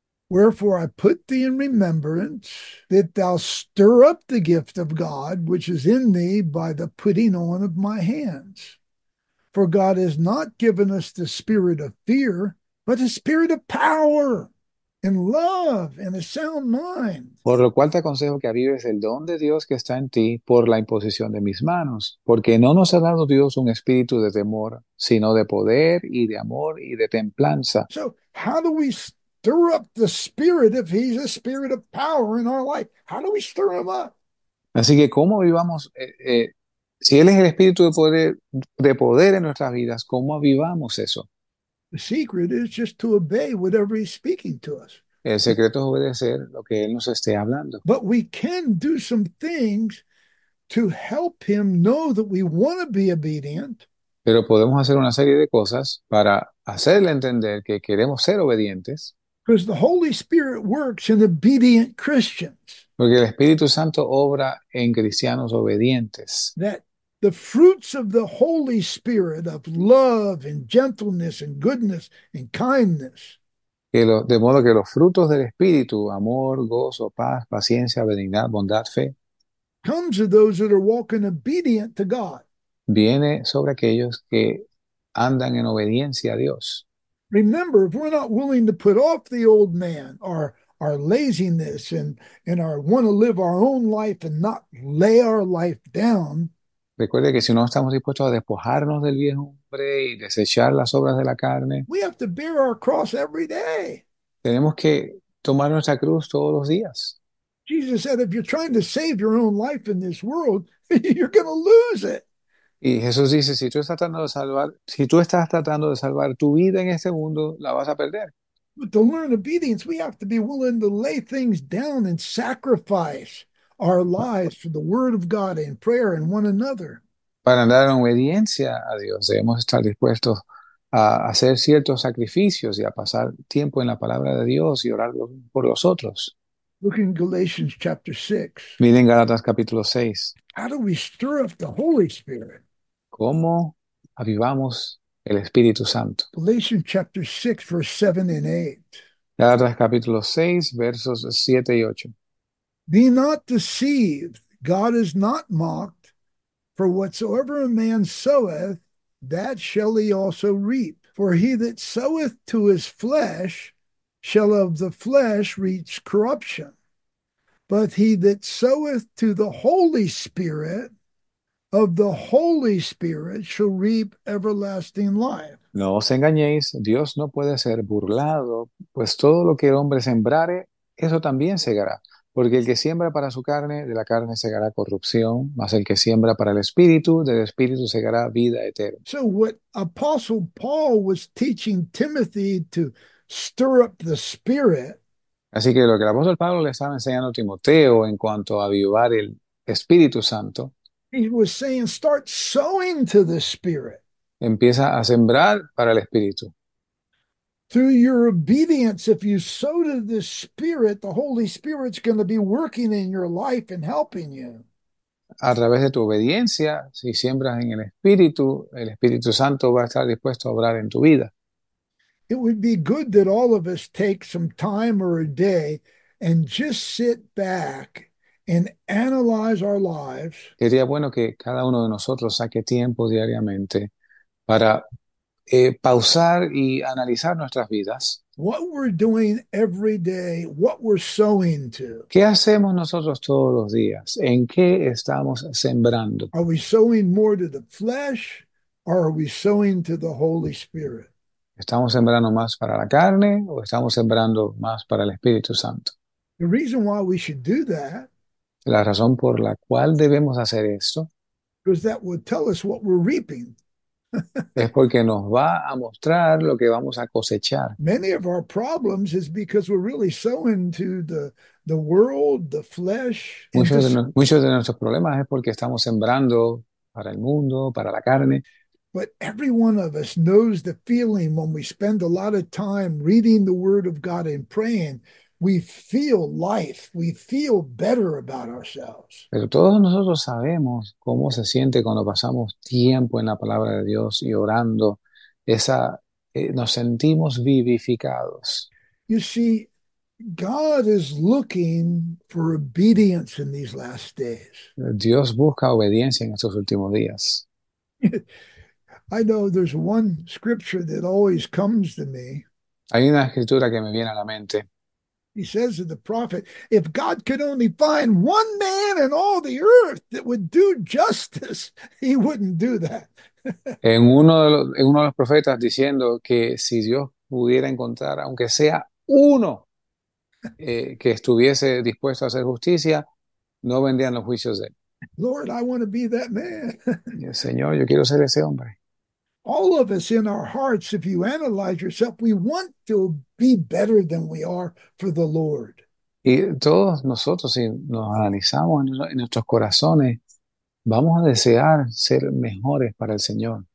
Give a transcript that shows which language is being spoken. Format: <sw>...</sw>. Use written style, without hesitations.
<en>Wherefore I put thee in remembrance that thou stir up the gift of God which is in thee by the putting on of my hands. For God has not given us the spirit of fear, but a spirit of power and love and a sound mind.</en> <es>Por lo cual te aconsejo que avives el don de Dios que está en ti por la imposición de mis manos, porque no nos ha dado Dios un espíritu de temor, sino de poder y de amor y de templanza.</es> <en>So, how do we stir up the spirit if he's a spirit of power in our life? How do we stir him up?</en> <es>Así que, ¿cómo vivamos? Si Él es el espíritu de poder en nuestras vidas, ¿cómo avivamos eso?</es> <en>The secret is just to obey whatever he's speaking to us.</en> <es>El secreto es obedecer lo que Él nos esté hablando.</es> <en>But we can do some things to help him know that we want to be obedient.</en> <es>Pero podemos hacer una serie de cosas para hacerle entender que queremos ser obedientes.</es> <en>Because the Holy Spirit works in obedient Christians.</en> <es>Porque el Espíritu Santo obra en cristianos obedientes.</es> <en>That the fruits of the Holy Spirit of love and gentleness and goodness and kindness.</en> <es>De modo que los frutos del Espíritu, amor, gozo, paz, paciencia, benignidad, bondad, fe,</es> <en>Comes to those that are walking obedient to God.</en> <es>viene sobre aquellos que andan en obediencia a Dios.</es> <en>Remember, if we're not willing to put off the old man, our laziness and our want to live our own life and not lay our life down.</en> <es>Recuerde que si no estamos dispuestos a despojarnos del viejo hombre y desechar las obras de la carne,</es> <en>We have to bear our cross every day.</en> <es>tenemos que tomar nuestra cruz todos los días.</es> <en>Jesus said, if you're trying to save your own life in this world, you're going to lose it.</en> <es>Y Jesús dice, si tú estás tratando de salvar tu vida en este mundo, la vas a perder.</es> <en>But to learn obedience, we have to be willing to lay things down and sacrifice our lives for the word of God and prayer and one another.</en> <es>Para andar en obediencia a Dios, debemos estar dispuestos a hacer ciertos sacrificios y a pasar tiempo en la palabra de Dios y orar por los otros.</es> <en>Look in Galatians chapter 6.</en> <es>Miren Gálatas capítulo 6.</es> <en>How do we stir up the Holy Spirit?</en> <es>¿Cómo avivamos el Espíritu Santo?</es> <en>Galatians chapter 6, verse 7 and 8.</en> <es>Gálatas capítulo 6, versos 7 y 8.</es> <en>Be not deceived. God is not mocked. For whatsoever a man soweth, that shall he also reap. For he that soweth to his flesh shall of the flesh reach corruption. But he that soweth to the Holy Spirit, of the Holy Spirit shall reap everlasting life.</en> <es>No os engañéis, Dios no puede ser burlado, pues todo lo que el hombre sembrare, eso también segará. Porque el que siembra para su carne, de la carne segará corrupción, mas el que siembra para el espíritu, del espíritu segará vida eterna.</es> <en>So what Apostle Paul was teaching Timothy to stir up the spirit.</en> <es>Así que lo que el apóstol Pablo le estaba enseñando a Timoteo en cuanto a avivar el Espíritu Santo,</es> <en>He was saying, start sowing to the Spirit.</en> <es>empieza a sembrar para el Espíritu.</es> <en>Through your obedience, if you sow to the Spirit, the Holy Spirit's going to be working in your life and helping you.</en> <es>A través de tu obediencia, si siembras en el Espíritu Santo va a estar dispuesto a obrar en tu vida.</es> <en>It would be good that all of us take some time or a day and just sit back and analyze our lives.</en> <es>Sería bueno que cada uno de nosotros saque tiempo diariamente para pausar y analizar nuestras vidas.</es> <en>What we're doing every day, what we're sowing to.</en> <es>¿Qué hacemos nosotros todos los días? ¿En qué estamos sembrando?</es> <en>Are we sowing more to the flesh or are we sowing to the Holy Spirit?</en> <es>¿Estamos sembrando más para la carne o estamos sembrando más para el Espíritu Santo?</es> <en>The reason why we should do that.</en> <es>La razón por la cual debemos hacer esto</es> <en>Because that would tell us what we're reaping.</en> <es>es porque nos va a mostrar lo que vamos a cosechar.</es> <en>Many of our problems is because we're really sowing to the world, the flesh, and</en> <es>Muchos de,</es> <en>despair.</en> <es>no, muchos de nuestros problemas es porque estamos sembrando para el mundo, para la carne.</es> <en>But every one of us knows the feeling when we spend a lot of time reading the Word of God and praying, we feel life, we feel better about ourselves.</en> <es>Pero todos nosotros sabemos cómo se siente cuando pasamos tiempo en la palabra de Dios y orando. Nos sentimos vivificados.</es> <en>You see, God is looking for obedience in these last days.</en> <es>Dios busca obediencia en estos últimos días.</es> <en>I know there's one scripture that always comes to me.</en> <es>Hay una escritura que me viene a la mente.</es> <en>He says to the prophet, if God could only find one man in all the earth that would do justice, he wouldn't do that.</en> <es>En uno de los profetas diciendo que si Dios pudiera encontrar, aunque sea uno, que estuviese dispuesto a hacer justicia, no vendrían los juicios de</es> <en>Lord, I want to be that man.</en> <es>él. Señor, yo quiero ser ese hombre.</es> <en>All of us in our hearts, if you analyze yourself, we want to be better than we are for the Lord.</en> <es>Y todos nosotros, si nos analizamos en nuestros corazones, vamos a desear ser mejores para el Señor.</es>